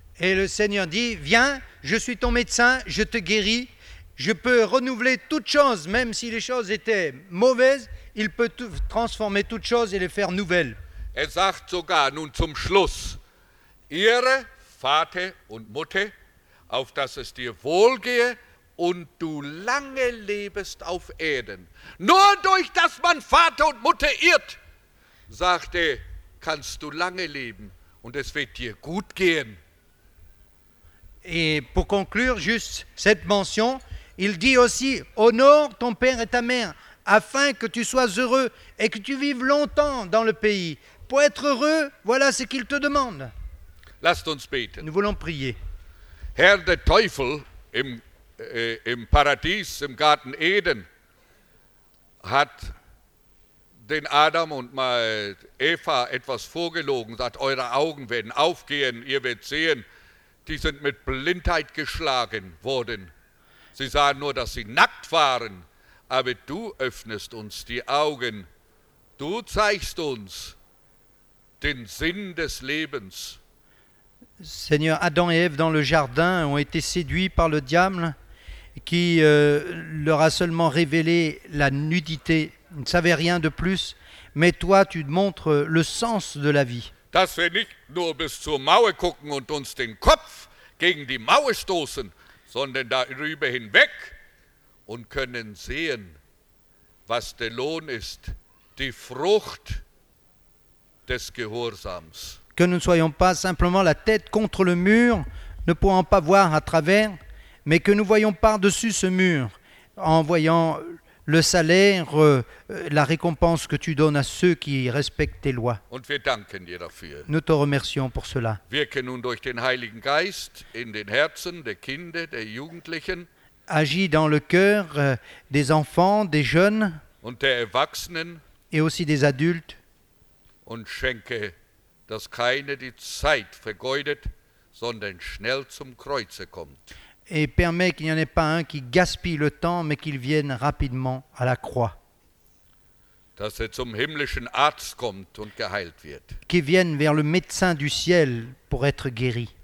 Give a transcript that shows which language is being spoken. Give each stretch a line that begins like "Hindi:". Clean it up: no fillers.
French: Et le Seigneur dit, viens, je suis ton médecin, je te guéris, je peux renouveler toutes choses, même si les choses étaient mauvaises, il peut transformer toutes choses et les faire nouvelles.
German: Sagt sogar, nun zum Schluss, ehre Vater und Mutter, auf dass es dir wohlgehe und du lange lebst auf Erden. Nur durch das man Vater und Mutter ehrt, sagt er, kannst du lange leben und es wird dir gut gehen.
French: Et pour conclure juste cette mention, il dit aussi, honore ton père et ta mère, afin que tu sois heureux et que tu vives longtemps dans le pays. Pour être heureux, voilà ce qu'il te demande.
German: Lasst uns beten.
French: Nous voulons prier.
German: Herr, der Teufel im Paradies, im Garten Eden, hat den Adam und Eva etwas vorgelogen, sagt, eure Augen werden aufgehen, ihr werdet sehen. Die sind mit Blindheit geschlagen worden. Sie sahen nur, dass sie nackt waren. Aber du öffnest uns die Augen. Du zeigst uns den Sinn des Lebens.
French: Seigneur, Adam et Ève dans le jardin ont été séduits par le diable qui leur a seulement révélé la nudité. Ils ne savaient rien de plus. Mais toi, tu montres le sens de la vie.
German: Dass wir nicht nur bis zur Mauer gucken und uns den Kopf gegen die Mauer stoßen, sondern darüber hinweg und können sehen, was der Lohn ist, die Frucht des Gehorsams.
French: Que nous ne soyons pas simplement la tête contre le mur, ne pouvant pas voir à travers, mais que nous voyons par-dessus ce mur, en voyant le salaire, la récompense que tu donnes à ceux qui respectent tes lois.
German: Und wir danken dir dafür.
French: Nous te remercions pour cela.
German: Wirke nun durch den Heiligen Geist in den Herzen der Kinder, der Jugendlichen.
French: Agis dans le cœur des enfants, des jeunes.
German: Und der Erwachsenen.
French: Et aussi des adultes.
German: Und schenke, dass keine die Zeit vergeudet, sondern schnell zum Kreuze kommt.
French: Et permet qu'il n'y en ait pas un qui gaspille le temps, mais qu'il vienne rapidement à la croix.
German: dass er zum himmlischen Arzt kommt und geheilt wird.
French: Qu'il vienne vers le médecin du ciel pour être guéri.